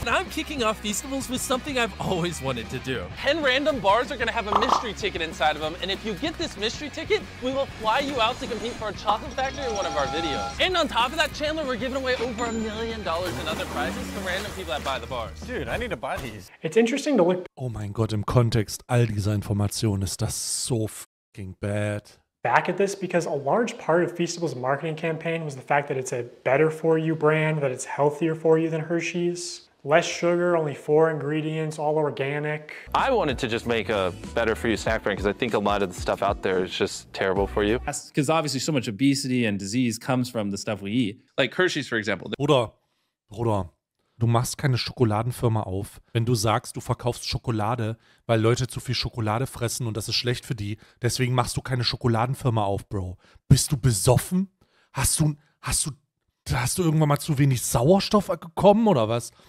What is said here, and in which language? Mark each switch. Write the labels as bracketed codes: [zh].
[en] And I'm kicking off Feastables with something I've always wanted to do. 10 random bars are going to have a mystery ticket inside of them, and if you get this mystery ticket, we will fly you out to compete for a chocolate factory in one of our videos. And on top of that, Chandler, we're giving away over $1 million in other prizes to random people that buy the bars. Dude, I need to buy these. It's interesting to look... [de] Oh mein Gott, im Kontext all dieser Informationen ist das so [en] fucking bad. back at this, because a large part of Feastable's marketing campaign was the fact that it's a better for you brand, that it's healthier for you than Hershey's. Less sugar, only 4 ingredients, all organic. I wanted to just make a better for you snack brand because I think a lot of the stuff out there is just terrible for you. Because obviously so much obesity and disease comes from the stuff we eat. Like Hershey's, for example. [de] Bruder, du machst keine Schokoladenfirma auf, wenn du sagst, du verkaufst Schokolade, weil Leute zu viel Schokolade fressen und das ist schlecht für die. Deswegen machst du keine Schokoladenfirma auf, Bro. Bist du besoffen? Hast du irgendwann mal zu wenig Sauerstoff gekommen oder was?